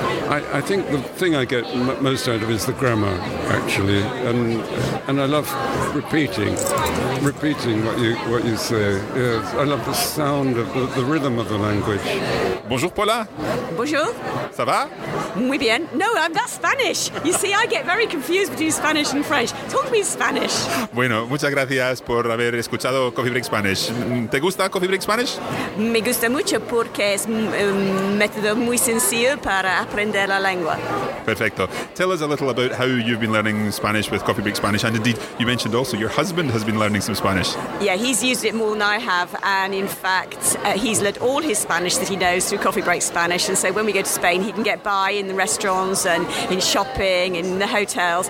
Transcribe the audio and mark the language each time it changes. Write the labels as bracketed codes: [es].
[en] I think the thing I get most out of is the grammar, actually, and I love repeating what you say. Yes, I love the sound of the rhythm of the language. [fr] Bonjour Paula. Bonjour. Ça va? [es] Muy bien. [en] No, I'm not Spanish. You see, I get very confused between Spanish and French. Talk to me Spanish. [es] Bueno, muchas gracias por haber escuchado Coffee Break Spanish. ¿Te gusta Coffee Break Spanish? Me gusta mucho porque es un método muy sencillo para aprender la lengua. Perfecto. [en] Tell us a little about how you've been learning Spanish with Coffee Break Spanish. And indeed, you mentioned also your husband has been learning some Spanish. Yeah, he's used it more than I have. And in fact, he's learned all his Spanish that he knows through Coffee Break Spanish. And so when we go to Spain, he can get by in the restaurants and in shopping, in the hotels.